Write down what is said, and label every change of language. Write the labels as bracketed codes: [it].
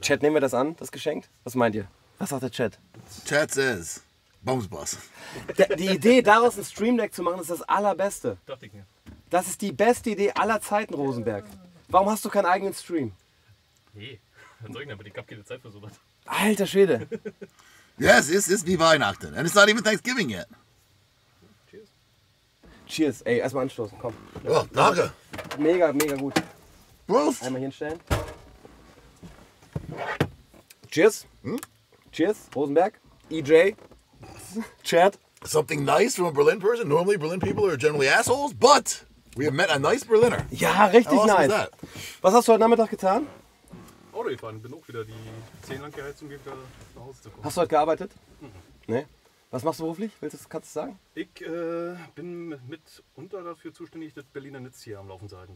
[de] Chat, nehmen wir das an, das geschenkt? Was meint ihr? Was sagt der Chat? [en] Chat says, Bumsbus. [de] Die Idee, daraus ein Stream Deck zu machen, ist das Allerbeste. Dachte ich mir. Das ist die beste Idee aller Zeiten, Rosenberg. Warum hast du keinen eigenen Stream? Nee, aber ich hab keine Zeit für sowas. Alter Schwede. [en] Yes, it's [de] wie Weihnachten. [en] And it's not even Thanksgiving yet. [de] Cheers, ey, erstmal anstoßen, komm. Ja, danke. Mega, mega gut. Prost. Einmal hinstellen. [en] Cheers. Hm? Cheers, Rosenberg, EJ, Chad. Something nice from a Berlin person. Normally Berlin people are generally assholes, but we have met a nice Berliner. [de] Ja, richtig nice. That? Was hast du heute Nachmittag getan? Auto gefahren, bin auch wieder die 10 lang geheizt, um wieder nach Hause zu kommen. Hast du heute gearbeitet? Mhm. Nee. Was machst du beruflich? Willst du das, kannst du sagen? Ich bin mitunter dafür zuständig, das Berliner Netz hier am Laufen zu halten.